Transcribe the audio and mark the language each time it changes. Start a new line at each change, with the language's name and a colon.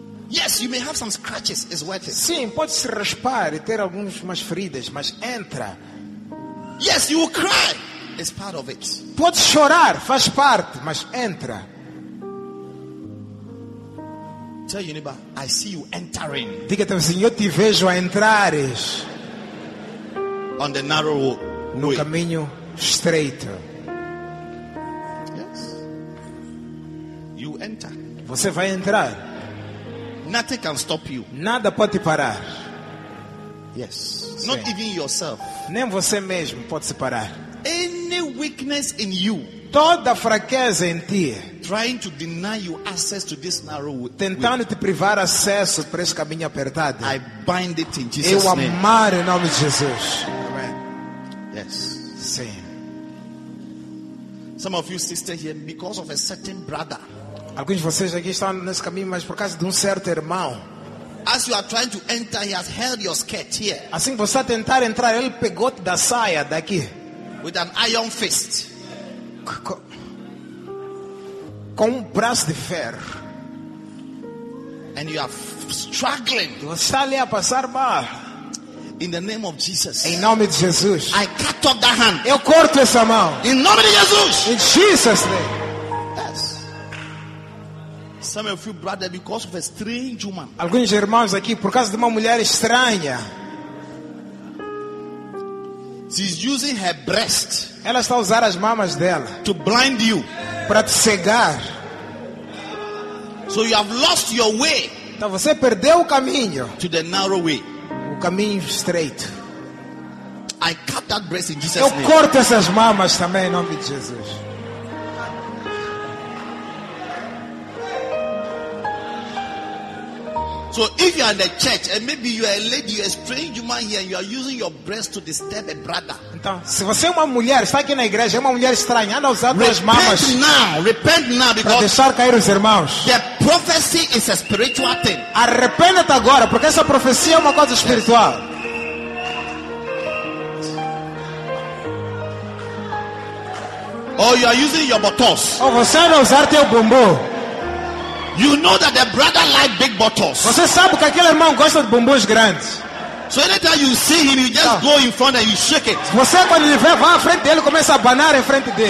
English: Yes, you may have some scratches, it's worth it.
Portuguese: Sim, pode se raspar e ter algumas umas feridas, mas entra.
English: Yes, you will cry. It's part of it.
Portuguese: Pode chorar, faz parte, mas entra.
English: Tell your neighbor, I see you entering.
Portuguese: Diga ao teu vizinho, eu te vejo a entrares.
English: On the narrow road.
Portuguese: No caminho estreito.
English: Yes. You enter.
Portuguese: Você vai entrar.
English: Nothing can stop you.
Portuguese: Nada pode te parar.
English: Yes.
Portuguese: Sim.
English: Not even yourself.
Portuguese: Nem você mesmo pode se parar.
English: Any weakness in you.
Portuguese: Toda fraqueza em ti.
English: Trying to deny you access to this narrow way.
Portuguese: Tentando te privar acesso para esse caminho apertado.
English: I bind it in Jesus' name.
Portuguese: Eu amar em nome de Jesus.
English: Amen. Yes.
Portuguese: Sim.
English: Some of you sister here because of a certain brother.
Portuguese: Alguns de vocês aqui estão nesse caminho, mas por causa de certo irmão.
English: As you are trying to enter, he has held your skirt here.
Portuguese: Assim que você está tentar entrar, ele pegou-te da saia daqui.
English: With an iron fist.
Portuguese: Com braço de ferro.
English: And you are struggling.
Portuguese: Você está ali a passar mal.
English: In the name of Jesus.
Portuguese: Em nome de Jesus.
English: I cut off that hand.
Portuguese: Eu corto essa mão. In nome de Jesus.
English: In Jesus' name. Some of you brother because of a strange woman.
Portuguese: Alguns irmãos aqui por causa de uma mulher estranha.
English: She's using her breast.
Portuguese: Ela está a usar as mamas dela.
English: To blind you.
Portuguese: Para te cegar.
English: So you have lost your way.
Portuguese: Então você perdeu o caminho.
English: To the narrow way.
Portuguese: O caminho estreito.
English: I cut that breast in Jesus'
Portuguese: name. Eu corto essas mamas também em nome de Jesus.
English: So if you are in the church and maybe you are a lady, you are a strange woman here, you are using your breast to disturb a brother.
Portuguese: Então, se você é uma mulher, está aqui na igreja, é uma mulher estranha, anda usando as mamas.
English: Repent now, because
Portuguese: deixar cair os irmãos.
English: The prophecy is a spiritual thing.
Portuguese: Arrepende-te agora, porque essa profecia é uma coisa espiritual.
English: Or you are using your buttocks.
Portuguese: Ou você anda usar teu bumbum.
English: You know that the brother like big bottles.
Portuguese: Você sabe que aquele irmão gosta de bombons grandes.
English: So anytime you see him, you just go in front and you shake it.
Portuguese: Você quando ele vê, vai à frente dele, começa a abanar em frente dele.